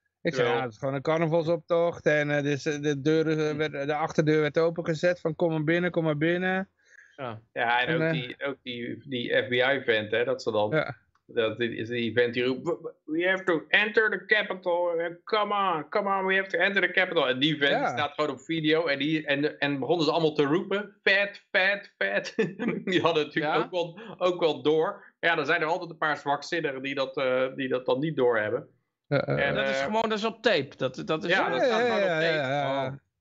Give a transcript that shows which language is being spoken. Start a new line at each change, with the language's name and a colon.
Dutch: Ik zei, het is gewoon een carnavalsoptocht. En de achterdeur werd opengezet van kom maar binnen. Ja, en ook die FBI-vent, hè, dat ze dan... Ja. Dat is die event die roept,
English: we have to enter the capital, come on, we have to enter the capital.
Dutch: En die event staat gewoon op video en begonnen ze allemaal te roepen, fat. Die hadden natuurlijk ook wel door. Ja, dan zijn er altijd een paar zwakzinnigen die dat dan niet doorhebben. Dat is gewoon, dat is op tape. Dat is op tape. Ja, ja, ja. Oh.